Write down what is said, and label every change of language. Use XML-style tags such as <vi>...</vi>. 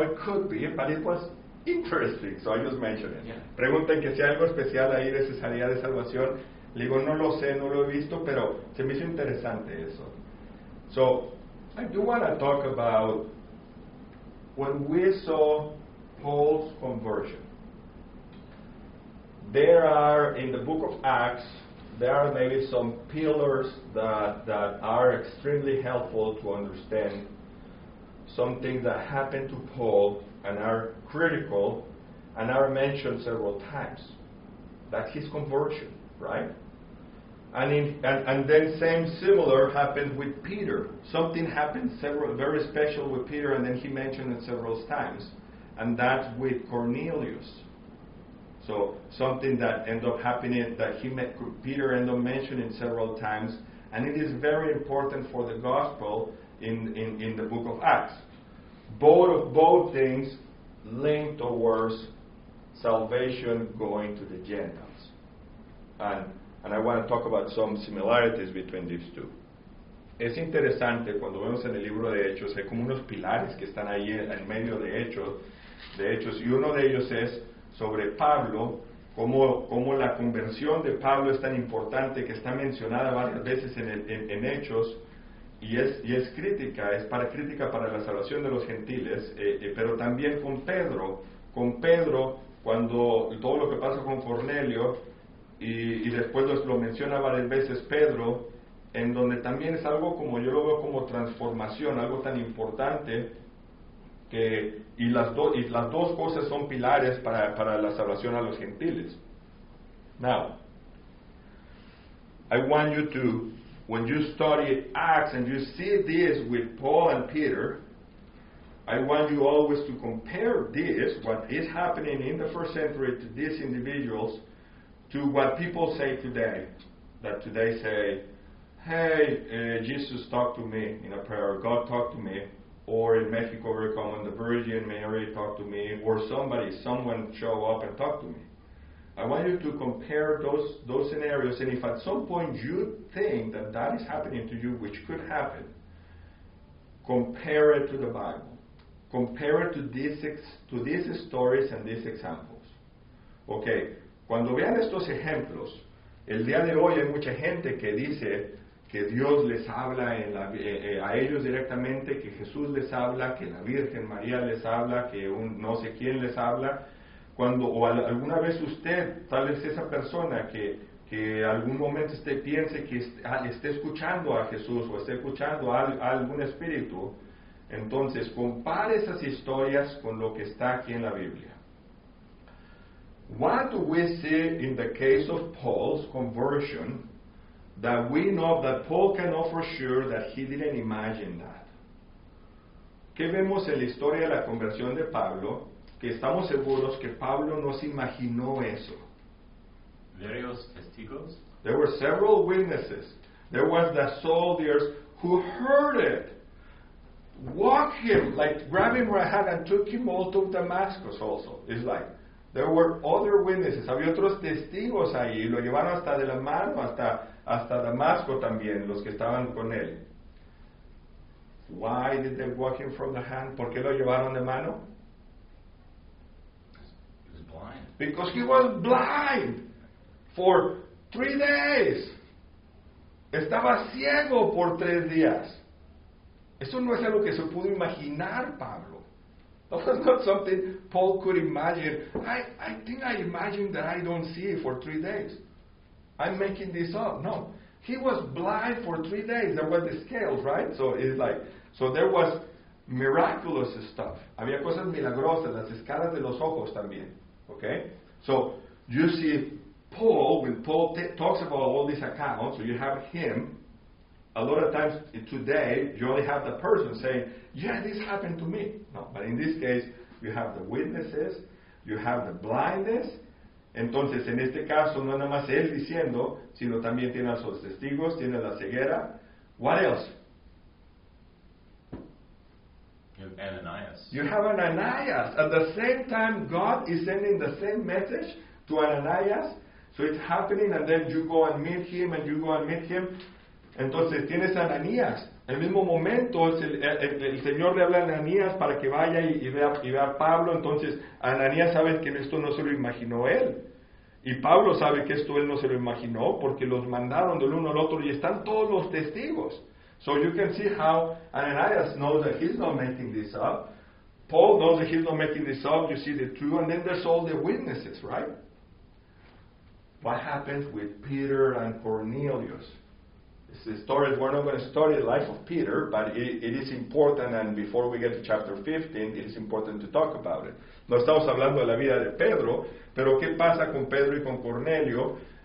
<en>It could be, but it was interesting, so I just mentioned it. Yeah.</en> <es>Pregunten que si hay algo especial ahí de Cesarea de Salvación. Le digo, no lo sé, no lo he visto, pero se me hizo interesante eso.</es> <en>So, I do want to talk about when we saw Paul's conversion. There are, in the book of Acts, there are maybe some pillars that are extremely helpful to understand some things that happened to Paul and are critical and are mentioned several times. That's his conversion, right? And then similar happened with Peter. Something happened very special with Peter, and then he mentioned it several times. And that with Cornelius. So something that ended up happening that Peter ended up mentioning several times. And it is very important for the gospel in the book of Acts. Both things link towards salvation going to the Gentiles. And I want to talk about some similarities between these two.</en> <es>Es interesante cuando vemos en el libro de Hechos, hay como unos pilares que están ahí en medio de Hechos, y uno de ellos es sobre Pablo, cómo la conversión de Pablo es tan importante que está mencionada varias veces en Hechos, y es crítica, es para crítica para la salvación de los gentiles, pero también con Pedro, cuando todo lo que pasa con Cornelio. Y después lo menciona varias veces Pedro, en donde también es algo como yo lo veo como transformación, algo tan importante, que y las dos cosas son pilares para la salvación a los gentiles.</es> <en>Now, I want you to, when you study Acts and you see this with Paul and Peter, I want you always to compare this, what is happening in the first century to these individuals, to what people say today, that today say, hey, Jesus talked to me in a prayer, God talked to me, or in Mexico very common, the Virgin Mary talked to me, or someone show up and talk to me. I want you to compare those scenarios, and if at some point you think that is happening to you, which could happen, compare it to the Bible. Compare it to these stories and these examples. Okay.</en> <es>Cuando vean estos ejemplos, el día de hoy hay mucha gente que dice que Dios les habla a ellos directamente, que Jesús les habla, que la Virgen María les habla, que un no sé quién les habla. Alguna vez usted, tal vez esa persona que algún momento usted piense que esté escuchando a Jesús o esté escuchando a algún espíritu, entonces compare esas historias con lo que está aquí en la Biblia.</es> <en>What do we see in the case of Paul's conversion that we know that Paul can know for sure that he didn't imagine that?</en> <es>¿Qué vemos en la historia de la conversión de Pablo que estamos seguros que Pablo no se imaginó eso? Various testigos.</es> <en>There were several witnesses. There was the soldiers who heard it. Walk him, like grab him by the hand and took him all to Damascus also. It's like, there were other witnesses.</en> <es>Había otros testigos ahí. Lo llevaron hasta de la mano, hasta Damasco también, los que estaban con él.</es> <en>Why did they walk him from the hand?</en> <es>¿Por qué lo llevaron de mano?</es> <en>He was blind. Because he was blind for 3 days.</en> <es>Estaba ciego por 3 días. Eso no es algo que se pudo imaginar, Pablo.</es> <en>That was not something Paul could imagine. I think I imagined that I don't see it for 3 days. I'm making this up. No. He was blind for 3 days. There were the scales, right? So it's like, so there was miraculous stuff.</en> <es>Había cosas milagrosas, las escalas de los ojos también.</es> <en>Okay? So you see Paul, when Paul talks about all these accounts, so you have him. A lot of times today, you only have the person saying, yeah, this happened to me. No, but in this case, you have the witnesses, you have the blindness.</en> <es>Entonces, en este caso, no nada más él diciendo, sino también tiene a sus testigos, tiene la ceguera.</es> <en>What else? You have Ananias. You have Ananias. At the same time, God is sending the same message to Ananias. So it's happening, and then you go and meet him, and you go and meet him.</en> <es>Entonces, tienes a Ananías. En el mismo momento, el Señor le habla a Ananías para que vaya y vea a Pablo. Entonces, Ananías sabe que esto no se lo imaginó él. Y Pablo sabe que esto él no se lo imaginó, porque los mandaron del uno al otro y están todos los testigos.</es> <en>So you can see how Ananías knows that he's not making this up. Paul knows that he's not making this up. You see the truth, and then there's all the witnesses, right? What happens with Peter and Cornelius? It's the story, we're not going to study the life of Peter, but it is important, and before we get to chapter 15, it is important to talk about it.</en> <es>No estamos hablando de la vida de Pedro, pero ¿qué pasa con Pedro y con Cornelio?</es>